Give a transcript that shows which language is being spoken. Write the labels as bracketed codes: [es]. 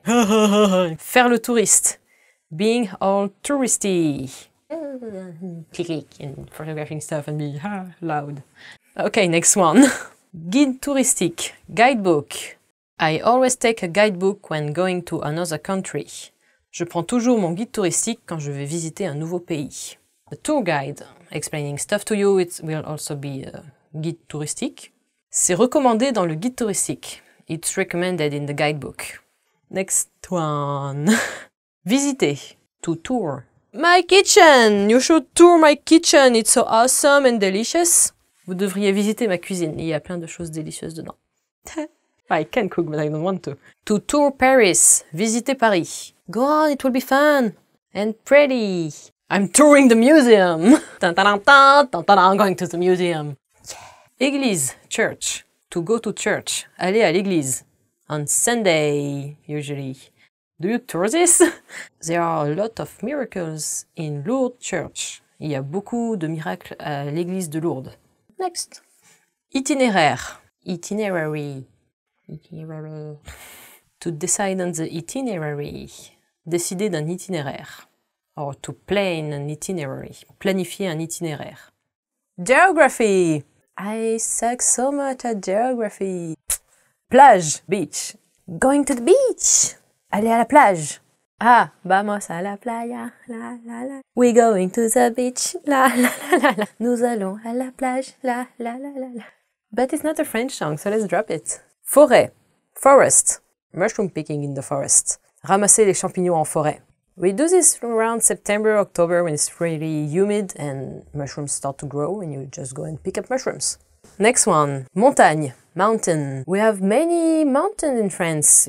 [fr] Faire le touriste. [en] Being all touristy. Click and photographing stuff and be loud. Okay, next one. Guide touristique. Guidebook. I always take a guidebook when going to another country. [fr] Je prends toujours mon guide touristique quand je vais visiter un nouveau pays. [en] The tour guide, explaining stuff to you, it will also be a guide touristique. [fr] C'est recommandé dans le guide touristique. [en] It's recommended in the guidebook. Next one. Visiter. To tour. My kitchen! You should tour my kitchen, it's so awesome and delicious. [fr] Vous devriez visiter ma cuisine, il y a plein de choses délicieuses dedans. [en] I can cook, but I don't want to. To tour Paris, visiter Paris. Go on, it will be fun and pretty. I'm touring the museum. I'm going to the museum. Yeah. Église, church. To go to church, [fr] aller à l'église. [en] On Sunday, usually. Do you tour this? There are a lot of miracles in Lourdes Church. [fr] Il y a beaucoup de miracles à l'église de Lourdes. [en] Next. Itinéraire. Itinerary. Itinerary. To decide on the itinerary. [fr] Décider d'un itinéraire. [en] Or to plan an itinerary. [fr] Planifier un itinéraire. [en] Geography. I suck so much at geography. Plage. Beach. Going to the beach. [fr] Aller à la plage. [en] Ah, [es] vamos a la playa, [en] la la la. We going to the beach, la la la la. [fr] Nous allons à la plage, la la la la la. [en] But it's not a French song, so let's drop it. Forêt. Forest. Mushroom picking in the forest. [fr] Ramasser les champignons en forêt. [en] We do this around September, October, when it's really humid and mushrooms start to grow and you just go and pick up mushrooms. Next one. Montagne. Mountain. We have many mountains in France.